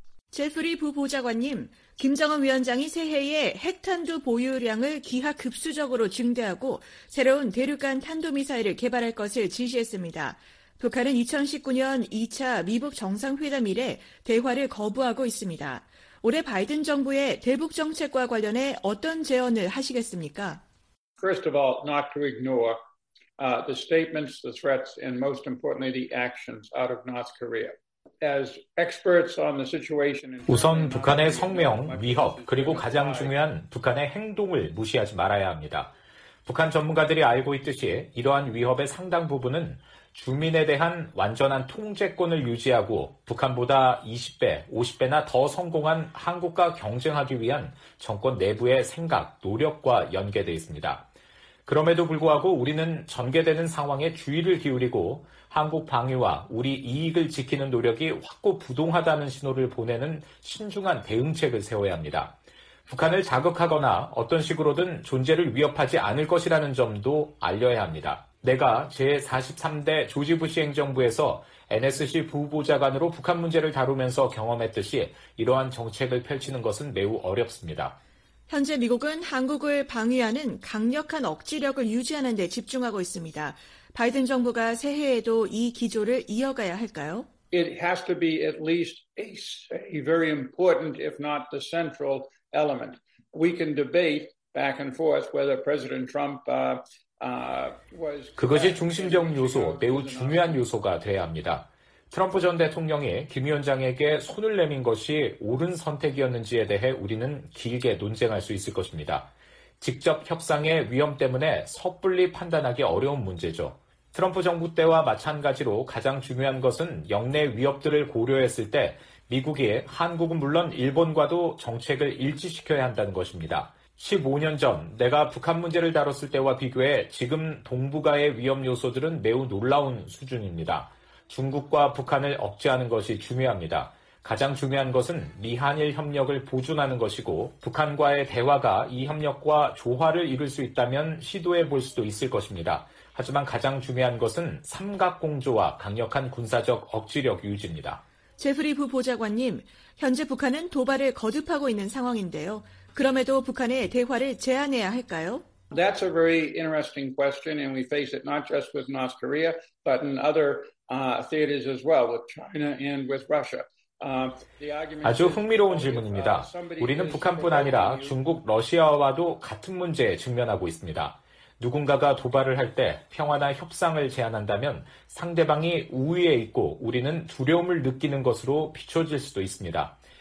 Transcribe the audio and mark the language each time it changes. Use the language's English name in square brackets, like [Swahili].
[Korean] 제프리 부보좌관님, 김정은 위원장이 새해에 핵탄두 보유량을 기하급수적으로 증대하고 새로운 대륙간 탄도미사일을 개발할 것을 지시했습니다. 북한은 2019년 2차 미북 정상회담 이래 대화를 거부하고 있습니다. 올해 바이든 정부의 대북 정책과 관련해 어떤 제언을 하시겠습니까? [English] First of all, not to ignore the statements, the threats, and most importantly, the actions out of North Korea. As experts on the situation, [Korean] 우선 북한의 성명, 위협, 그리고 가장 중요한 북한의 행동을 무시하지 말아야 합니다. 북한 전문가들이 알고 있듯이 이러한 위협의 상당 부분은 주민에 대한 완전한 통제권을 유지하고 북한보다 20배, 50배나 더 성공한 한국과 경쟁하기 위한 정권 내부의 생각, 노력과 연계되어 있습니다. 그럼에도 불구하고 우리는 전개되는 상황에 주의를 기울이고 한국 방위와 우리 이익을 지키는 노력이 확고부동하다는 신호를 보내는 신중한 대응책을 세워야 합니다. 북한을 자극하거나 어떤 식으로든 존재를 위협하지 않을 것이라는 점도 알려야 합니다. 내가 제43대 조지 부시 행정부에서 NSC 부보좌관으로 북한 문제를 다루면서 경험했듯이 이러한 정책을 펼치는 것은 매우 어렵습니다. 현재 미국은 한국을 방위하는 강력한 억지력을 유지하는 데 집중하고 있습니다. 바이든 정부가 새해에도 이 기조를 이어가야 할까요? [English] It has to be at least a very important, if not the central element. We can debate back and forth whether President Trump [Korean] 그것이 중심적 요소, 매우 중요한 요소가 돼야 합니다. 트럼프 전 대통령이 김 위원장에게 손을 내민 것이 옳은 선택이었는지에 대해 우리는 길게 논쟁할 수 있을 것입니다. 직접 협상의 위험 때문에 섣불리 판단하기 어려운 문제죠. 트럼프 정부 때와 마찬가지로 가장 중요한 것은 역내 위협들을 고려했을 때 미국이 한국은 물론 일본과도 정책을 일치시켜야 한다는 것입니다. 15년 전 내가 북한 문제를 다뤘을 때와 비교해 지금 동북아의 위험 요소들은 매우 놀라운 수준입니다. 중국과 북한을 억제하는 것이 중요합니다. 가장 중요한 것은 미한일 협력을 보존하는 것이고 북한과의 대화가 이 협력과 조화를 이룰 수 있다면 시도해 볼 수도 있을 것입니다. 하지만 가장 중요한 것은 삼각공조와 강력한 군사적 억지력 유지입니다. 제프리 부보좌관님, 현재 북한은 도발을 거듭하고 있는 상황인데요. 그럼에도 북한의 대화를 제안해야 할까요? [English] That's a very interesting question and we face it not just with North Korea but in other theaters as well with China and with Russia. [Korean] 아주 흥미로운 질문입니다. 우리는 북한뿐 아니라 중국, 러시아와도 같은 문제에 직면하고 있습니다. 누군가가 도발을 할 때 평화나 협상을 제안한다면 상대방이 우위에 있고 우리는 두려움을 느끼는 것으로 비춰질 수도 있습니다.